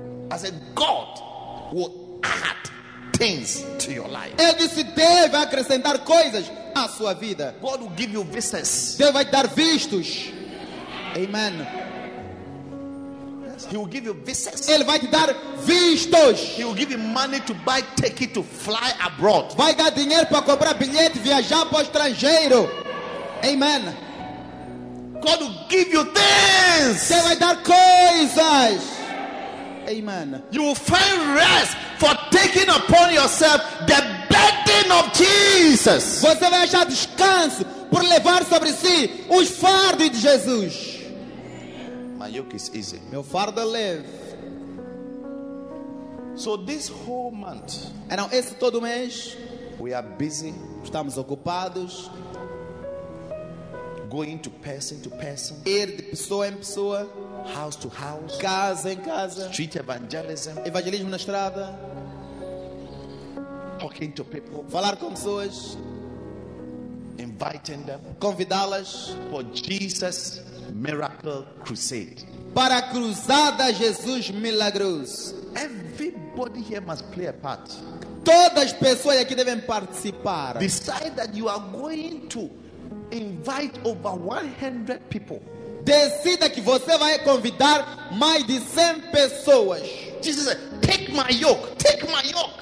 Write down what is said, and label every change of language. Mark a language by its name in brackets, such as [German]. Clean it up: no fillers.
[English] I said, God will add things to your life. [Portuguese] Ele disse, Deus vai acrescentar coisas à sua vida. [English] God will give you visas. [Portuguese] Deus vai dar vistos. Amen. [English] He will give you visas. [Portuguese] Ele vai te dar vistos. [English] He will give you money to buy ticket to fly abroad. [Portuguese] Vai dar dinheiro para comprar bilhete e viajar para o estrangeiro. Amen. [English] God will give you things. [Portuguese] Ele vai dar coisas. Amen. [English] You will find rest for taking upon yourself the burden of Jesus. [Portuguese] Você vai achar descanso por levar sobre si os fardos de Jesus. [English] My yoke is easy. [Portuguese] Meu fardo leve. [English] So this whole month, and now [Portuguese] esse todo mês, [English] we are busy. [Portuguese] Estamos ocupados. [English] Going to person, [Portuguese] ir de pessoa em pessoa. [English] House to house, [Portuguese] casa em casa. [English] Street evangelism, [Portuguese] evangelismo na estrada. [English] Talking to people, [Portuguese] falar com pessoas. [English] Inviting them, [Portuguese] convidá-las [English] for Jesus. Miracle crusade. [Portuguese] Para a cruzada Jesus milagros. [English] Everybody here must play a part. [Portuguese] Todas as pessoas aqui devem participar. [English] Decide that you are going to invite over 100 people. [Portuguese] Decida que você vai convidar mais de 100 pessoas. [English] Jesus said, take my yoke, take my yoke.